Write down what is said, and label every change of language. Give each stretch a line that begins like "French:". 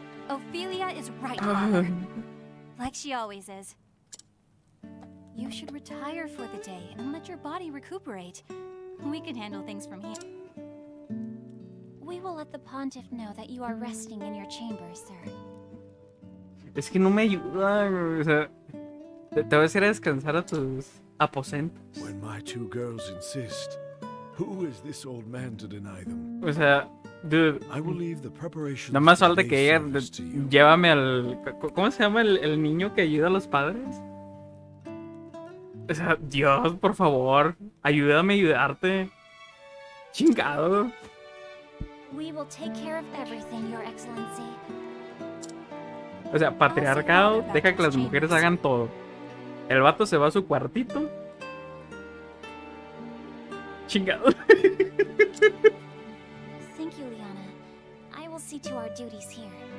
English: Ophelia is right. Like she always is. You should retire for the day and let your body recuperate. We can handle things from here. We will let the pontiff know that you are resting in your chamber, sir.
Spanish: Es que no me ayuda, o sea, te vas a ir a descansar a tus aposentos.
English: When my two girls insist, who is this old man to deny them?
Spanish: O sea,
English: dude, I will leave the preparations.
Spanish: Nada más falta que ella llévame al, ¿cómo se llama el niño que ayuda a los padres? O sea, Dios, por favor, ayúdame a ayudarte. Chingado.
English: We will take care of everything, Your Excellency.
Spanish: O sea, patriarcado deja que las mujeres hagan todo. El vato se va a su cuartito. Chingado.
English: Thank you, Liana. I will see to our duties here.